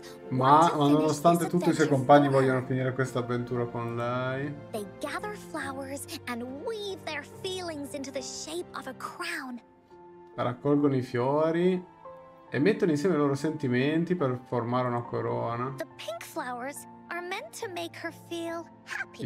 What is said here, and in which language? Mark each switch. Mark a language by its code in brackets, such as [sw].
[it] Ma nonostante tutto, i suoi compagni vogliono finire questa avventura con lei. [en] They gather flowers and weave their feelings into the shape of a crown. [it] Raccolgono i fiori e mettono insieme i loro sentimenti per formare una corona. [en] The pink flowers are meant to make her feel happy.